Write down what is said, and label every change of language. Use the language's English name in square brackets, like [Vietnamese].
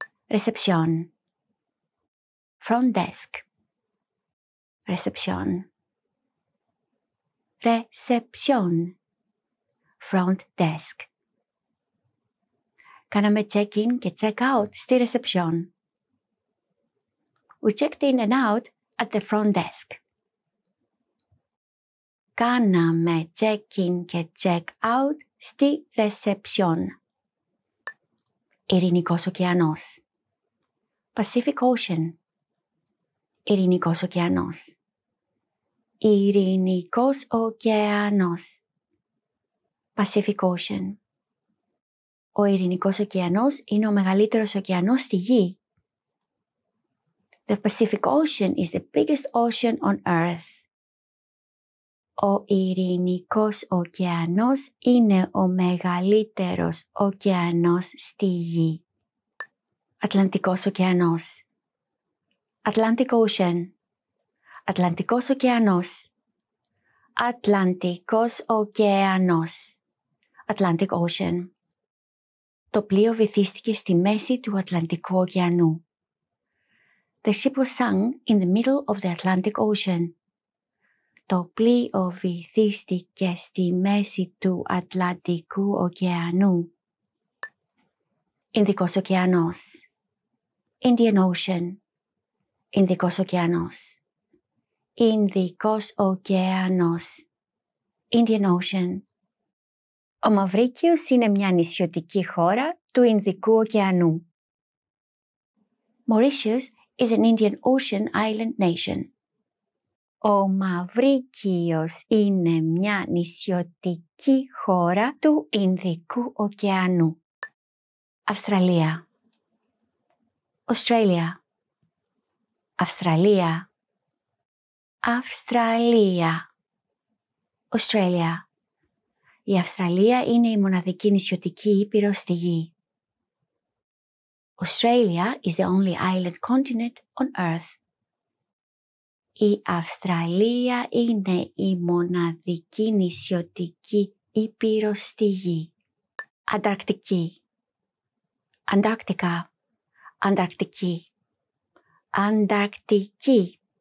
[English] Reception. Front desk. Reception. Reception. Front desk. [Greek] Κάναμε check-in και check-out στη reception. [English] We checked in and out at the front desk. [Greek] Κάναμε check-in και check-out στη reception. Ειρηνικός ωκεανός. Pacific Ocean. Ειρηνικός ωκεανός. Ειρηνικός ωκεανός. [English] Pacific Ocean. [Greek] Ο Ειρηνικός ωκεανός είναι ο μεγαλύτερος ωκεανός στη Γη. [English] The Pacific Ocean is the biggest ocean on Earth. [Greek] Ο Ειρηνικός ωκεανός είναι ο μεγαλύτερος ωκεανός στη Γη. Ατλαντικός ωκεανός. Atlantic Ocean. Ατλαντικός ωκεανός. Ατλαντικός ωκεανός. [English] Atlantic Ocean. [Greek] Το πλοίο βυθίστηκε στη μέση του Ατλαντικού ωκεανού. [English] The ship was sunk in the middle of the Atlantic Ocean. [Greek] Το πλοίο βυθίστηκε στη μέση του Ατλαντικού ωκεανού. Ινδικός ωκεανός. Indian Ocean. Ινδικός ωκεανός. Ινδικός ωκεανός. [English] Indian Ocean. [Greek] Ο Μαυρίκιος είναι μια νησιωτική χώρα του Ινδικού ωκεανού. [English] Mauritius is an Indian Ocean island nation. [Greek] Ο Μαυρίκιος είναι μια νησιωτική χώρα του Ινδικού ωκεανού. Αυστραλία. Australia. Αυστραλία. Αυστραλία. [English] Australia. [Greek] Η Αυστραλία είναι η μοναδική νησιωτική ήπειρο στη Γη. [English] Australia is the only island continent on Earth. [Greek] Η Αυστραλία είναι η μοναδική νησιωτική ήπειρο στη Γη. Ανταρκτική. Αντάρκτικα. Ανταρκτική. Ανταρκτική.